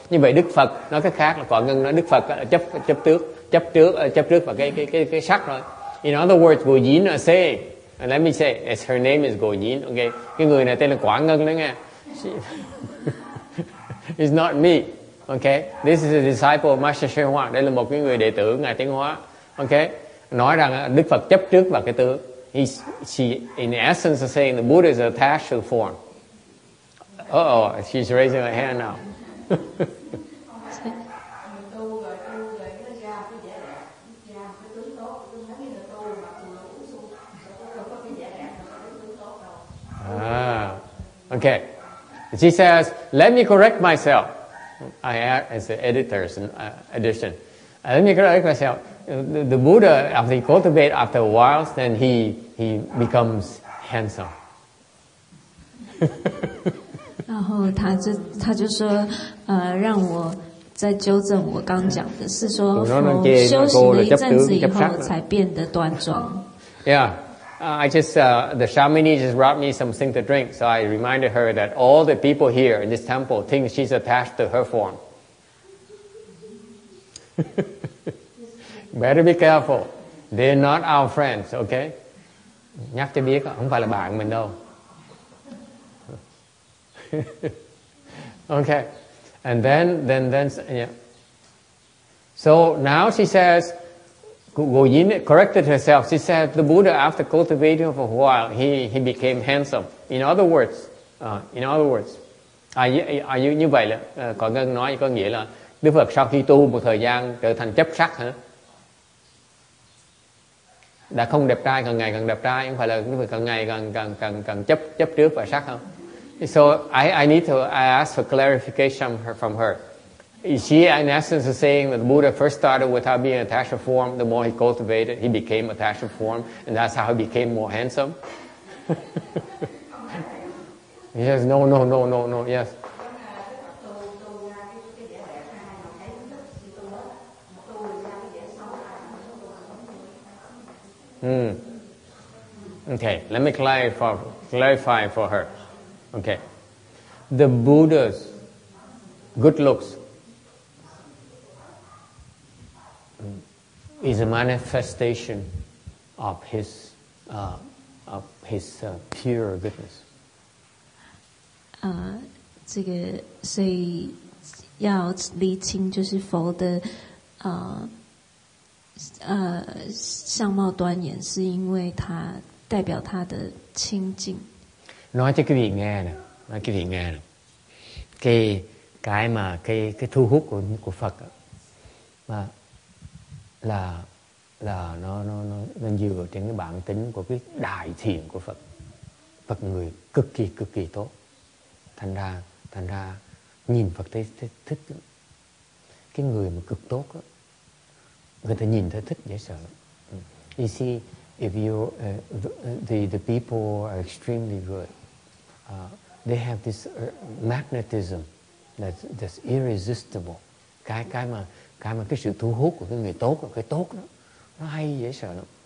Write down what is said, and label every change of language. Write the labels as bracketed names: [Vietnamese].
[Vietnamese] Như vậy Đức Phật nói cách khác là Quả Ngân nói Đức Phật là chấp trước vào cái sắc rồi. [English] In other words, Goyin is saying, and let me say, as her name is Goyin. [Vietnamese] Okay, cái người này tên là Quả Ngân đó nghe. [English] It's not me. Okay, this is a disciple of Master Sheng Hoa. [Vietnamese] Đây là một cái người đệ tử ngài Tiến Hóa. Okay, nói rằng Đức Phật chấp trước vào cái tướng. [English] She, in essence, is saying the Buddha is attached to the form. Uh-oh, she's raising her hand now. Okay. She says, let me correct myself. I add as the editor's edition. Let me correct myself. The Buddha, after he cultivates after a while, then he becomes handsome. [Chinese] 然后他就说，让我再纠正我刚讲的是说，修行了一阵子以后才变得端庄。 [English] Yeah, I just the Shamini just brought me something to drink, so I reminded her that all the people here in this temple think she's attached to her form. Better be careful. They're not our friends, okay? [Vietnamese] Nhắc cho biết, không phải là bạn mình đâu. [English] Okay. And then, yeah. So now she says, Goyin corrected herself. She said, the Buddha, after cultivating for a while, he became handsome. In other words, are you [Vietnamese] như vậy là, có Ngân nói có nghĩa là, Đức Phật sau khi tu một thời gian trở thành chấp sắc hả? Đã không đẹp trai càng ngày càng đẹp trai, không phải là càng ngày càng chấp trước và sắc không? [English] So I ask for clarification from her. Is she in essence saying that the Buddha first started without being attached to form, the more he cultivated, he became attached to form, and that's how he became more handsome? He says, no, yes. Okay, let me clarify for her. Okay. The Buddha's good looks is a manifestation of his pure goodness. [Chinese] 这个所以要厘清就是佛的相貌端严是因为它代表它的清净。 [Vietnamese] Nói cho quý vị nghe nè, nói quý vị nghe nè, cái mà cái thu hút của Phật là là nó dựa trên cái bản tính của cái đại thiện của Phật. Phật người cực kỳ tốt. Thành ra nhìn Phật thấy thích lắm. Cái người mà cực tốt đó, người ta nhìn thấy thích dễ sợ. [English] You see, if you the people are extremely good, they have this magnetism that's irresistible. [Vietnamese] Cái mà cái sự thu hút của cái người tốt, của cái tốt đó, nó hay dễ sợ lắm.